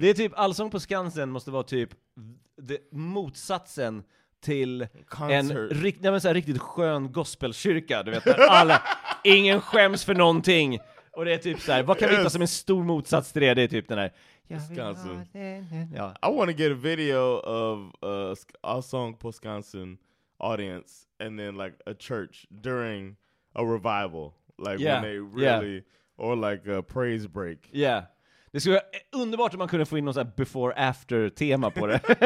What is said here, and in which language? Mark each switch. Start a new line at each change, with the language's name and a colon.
Swedish: Det är typ, Allsång på Skansen måste vara typ motsatsen till en riktigt skön gospelkyrka. Du vet, alla, ingen skäms för någonting. Och det är typ så här, vad kan vi hitta som en stor motsats till det? Det är typ den här... Skansen. Yeah.
English: I want to get a video of Allsång på Skansen audience and then like a church during a revival. Like when they really... Yeah. Or like a praise break. Yeah.
Swedish: Det skulle vara underbart om man kunde få in någon sån här
English: before after
Swedish: tema på det.